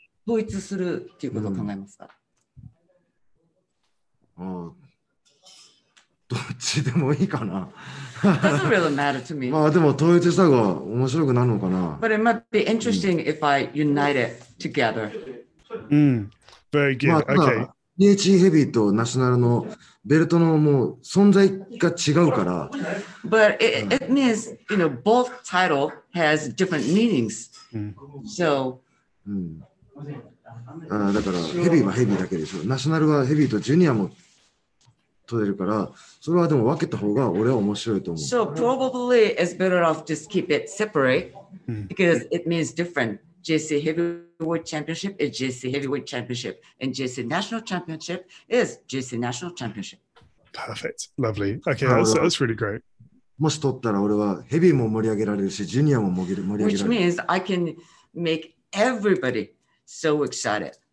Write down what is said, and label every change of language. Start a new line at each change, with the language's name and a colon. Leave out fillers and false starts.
Japanese: 統一するっていうことを考えますか? どっちでもいいかな?
English: Doesn't really matter to me.
Japanese: まあでも統一した方が面白くなるのかな?
English: But it might be interesting if I unite it together. Very good, okay.
Japanese: DH Heavy とナショナルのベルトのもう存在が違うから。
English: But it means, you know, both title has different meanings. So.
Japanese: だから、ヘビーはヘビーだけでしょ。ナショナルはヘビーとジュニアも取れるから、それはでも分けた方が俺は面白いと思う。
English: So probably it's better off just keep it separate because it means different. JC Heavyweight Championship is JC Heavyweight Championship, and JC National Championship is JC National Championship. Perfect. Lovely. Okay, that's really great.
Japanese: もし取ったら俺はヘビーも盛り上げられるし、ジュニアも盛り上げられる。
English: Which means I can make everybody so excited.